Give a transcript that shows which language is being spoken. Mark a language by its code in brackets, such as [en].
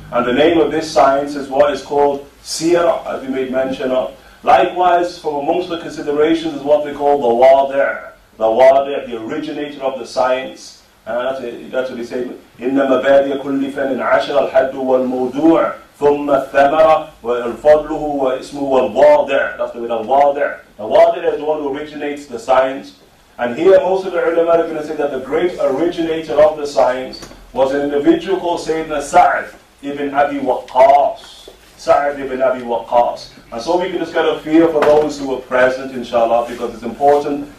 [en] And the name of this science is what is called seerah, as we made mention of. Likewise, from amongst the considerations is what they call the wadi', the wadi', the originator of the science. And that's what they say. [ar] Inna mabadi'a kulli fanin 'ashra al-haddu wal-mawdu' ثم الثمرة والفضله واسمه والواضع. [en] That's the word الواضع. The word is the one who originates the science. And here most of the ulama are going to say that the great originator of the science was an individual called Sayyidina Sa'd ibn Abi Waqqas. Sa'd ibn Abi Waqqas. And so we can just kind of fear for those who were present, inshallah, because it's important.